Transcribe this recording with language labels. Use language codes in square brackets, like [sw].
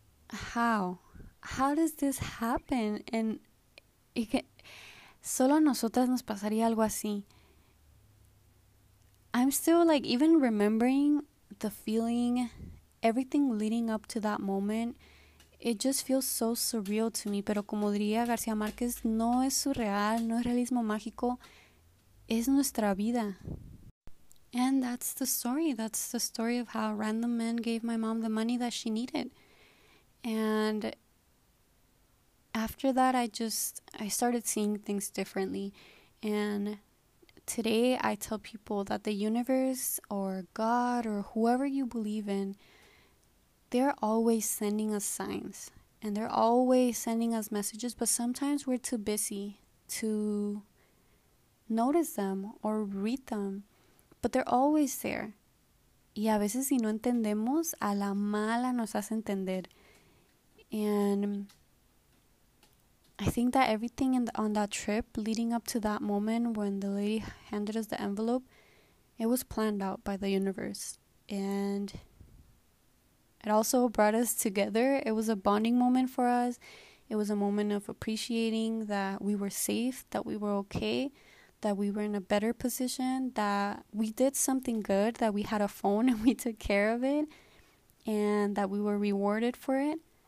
[en] How does this happen? And [es] y que solo a nosotras nos pasaría algo así. [en] I'm still like even remembering the feeling, everything leading up to that moment, it just feels so surreal to me. [es] Pero como diría García Márquez, no es surreal, no es realismo mágico, es nuestra vida. [en] And that's the story. That's the story of how a random man gave my mom the money that she needed. And after that, I started seeing things differently. And today I tell people that the universe or God or whoever you believe in, they're always sending us signs and they're always sending us messages, but sometimes we're too busy to notice them or read them. But they're always there. [es] Y a veces si no entendemos, a la mala nos hace entender. [en] And I think that everything on that trip leading up to that moment when the lady handed us the envelope, it was planned out by the universe. And it also brought us together. It was a bonding moment for us. It was a moment of appreciating that we were safe, that we were okay, that we were in a better position, that we did something good, that we had a phone and we took care of it, and that we were rewarded for it.